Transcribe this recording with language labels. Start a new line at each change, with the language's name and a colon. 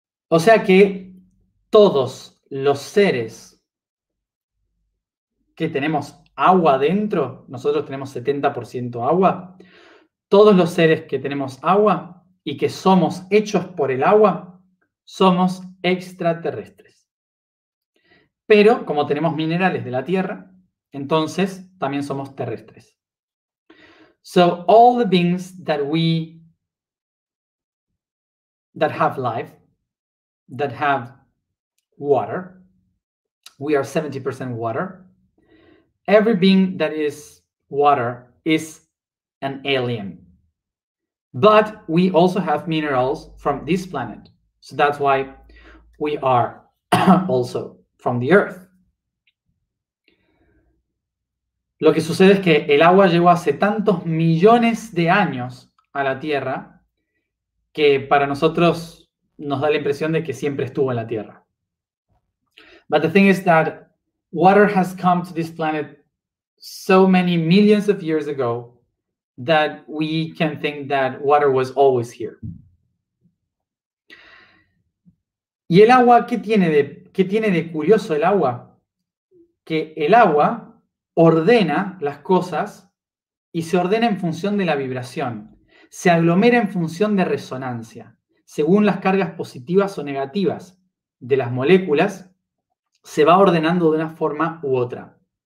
Spanish: O sea que todos los seres que tenemos agua dentro, nosotros tenemos 70% agua, todos los seres que tenemos agua y que somos hechos por el agua, somos extraterrestres. Pero como tenemos minerales de la Tierra, entonces también somos terrestres.
English: So all the beings that we, that have life, that have water, we are 70% water. Every being that is water is an alien. But we also have minerals from this planet. So that's why we are also from the Earth.
Spanish: Lo que sucede es que el agua llegó hace tantos millones de años a la Tierra que para nosotros nos da la impresión de que siempre estuvo en la Tierra.
English: But the thing is that water has come to this planet so many millions of years ago that we can think that water was always here.
Spanish: ¿Y el agua qué tiene de curioso el agua? Que el agua ordena las cosas y se ordena en función de la vibración. Se aglomera en función de resonancia. Según las cargas positivas o negativas de las moléculas, se va ordenando de una forma u otra.